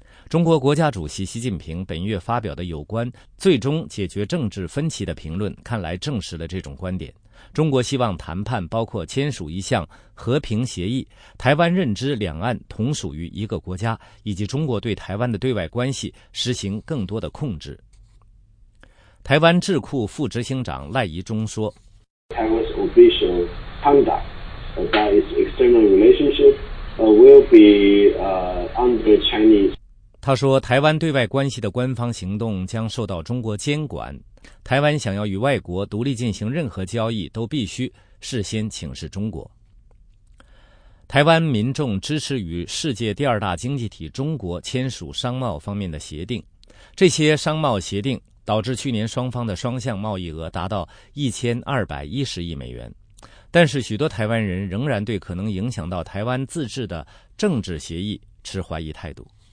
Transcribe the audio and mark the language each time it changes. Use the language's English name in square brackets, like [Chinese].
[Chinese] 中国国家主席习近平本月发表的有关最终解决政治分歧的评论看来证实了这种观点。中国希望谈判包括签署一项和平协议，台湾认知两岸同属于一个国家，以及中国对台湾的对外关系实行更多的控制。台湾智库副执行长赖宜中说， [English] Taiwan's official conduct about its external relationship will be under Chinese. [Chinese] 他说，台湾对外关系的官方行动将受到中国监管，台湾想要与外国独立进行任何交易都必须事先请示中国。台湾民众支持与世界第二大经济体中国签署商贸方面的协定，这些商贸协定导致去年双方的双向贸易额达到1210亿美元，但是许多台湾人仍然对可能影响到台湾自治的政治协议持怀疑态度。